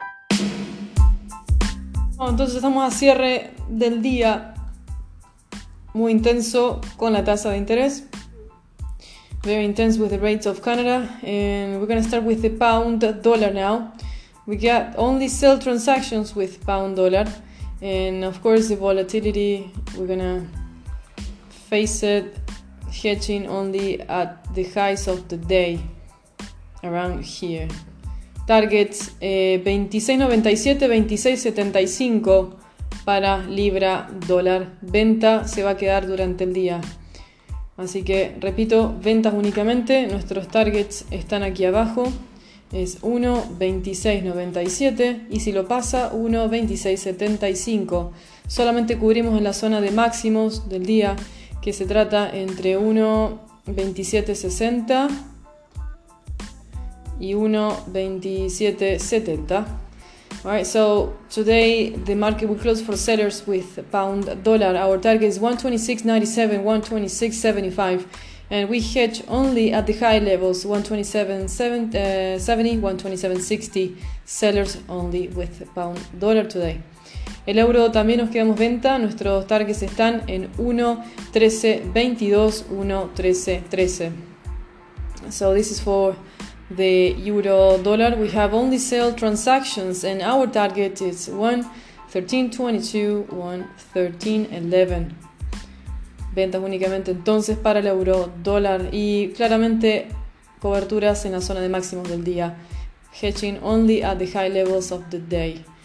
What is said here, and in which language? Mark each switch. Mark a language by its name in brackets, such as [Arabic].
[Spanish] Entonces estamos a cierre del día muy intenso con la tasa de interés. [English] Very intense with the rates of Canada. And we're going to start with the pound dollar now. We got only sell transactions with pound dollar. And of course, the volatility, we're going to face it hedging only at the highs of the day around here. [Spanish] Targets 26.97, 26.75 para libra dólar. Venta se va a quedar durante el día. Así que repito, ventas únicamente. Nuestros targets están aquí abajo. Es 1.26.97 y si lo pasa, 1.26.75. Solamente cubrimos en la zona de máximos del día, que se trata entre 1.27.60 y 1.27.70. [English] Alright, so today the market will close for sellers with pound dollar. Our target is 1.26.97, 1.26.75. And we hedge only at the high levels, 127.70, 127.60, sellers only with pound dollar today. [Spanish] El euro también nos quedamos venta, nuestros targets están en 1.1322, 1.1313. [English] So this is for the euro dollar. We have only sell transactions and our target is 1.1322, 1.1311. [Spanish] Ventas únicamente entonces para el euro dólar y claramente coberturas en la zona de máximos del día. [English] Hedging only at the high levels of the day.